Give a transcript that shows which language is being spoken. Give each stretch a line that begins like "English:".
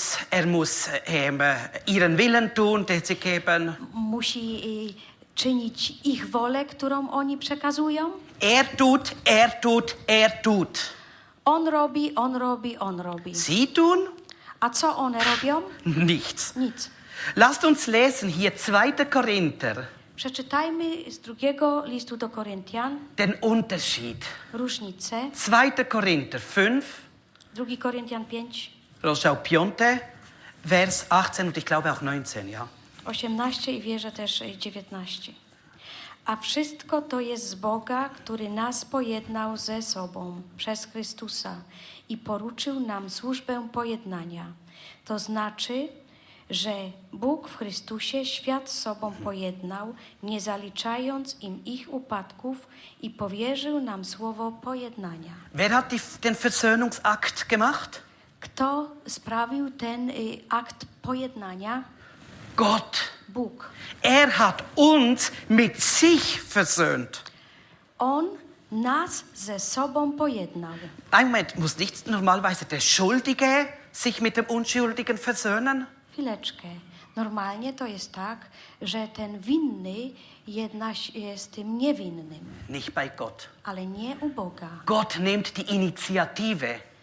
German: Er muss ihren Willen tun, den sie geben.
Polish: Musi czynić ich wolę, którą oni przekazują.
German: Er tut.
Polish: On robi.
German: Sie tun?
Polish: A co one robią?
German: Nic. Lasst uns lesen hier 2. Korinther.
Polish: Przeczytajmy z drugiego listu do Koryntian.
German: Ten Unterschied.
Polish: Różnice.
German: 2. Korinther 5.
Polish: 2. Koryntian 5.
German: Rozdział 5, vers 18 und ich glaube auch 19, ja.
Polish: 18 i wierzę też 19. A wszystko to jest z Boga, który nas pojednał ze sobą przez Chrystusa i poruczył nam służbę pojednania. To znaczy, że Bóg w Chrystusie świat z sobą pojednał, nie zaliczając im ich upadków i powierzył nam słowo pojednania.
German: Wer hat den Versöhnungsakt gemacht?
Polish: Kto sprawił ten akt pojednania?
German: Gott.
Polish: Bóg.
German: Er hat uns mit sich versöhnt.
Polish: On nas ze sobą pojednał.
German: Ein Moment, muss nicht normalerweise der Schuldige sich mit dem Unschuldigen versöhnen?
Polish: Chwileczkę. Normalnie to jest tak, że ten winny jednak jest tym niewinnym.
German: Nicht bei Gott.
Polish: Ale nie u Boga.
German: Gott nimmt die Initiative.